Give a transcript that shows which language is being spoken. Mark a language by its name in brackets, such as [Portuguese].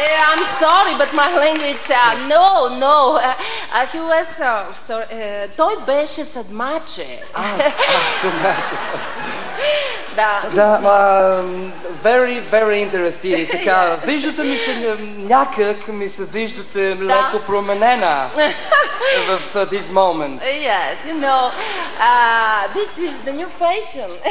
[English] I'm sorry, but my language... No. He was... sorry. [Bulgarian] Той беше съдмаче. Съдмаче. Да. Да, [English] very, very interesting. [Bulgarian] Така, виждате ми се... Някак ми се виждате леко променена в [English] this moment. Yes, you know, this is the new fashion.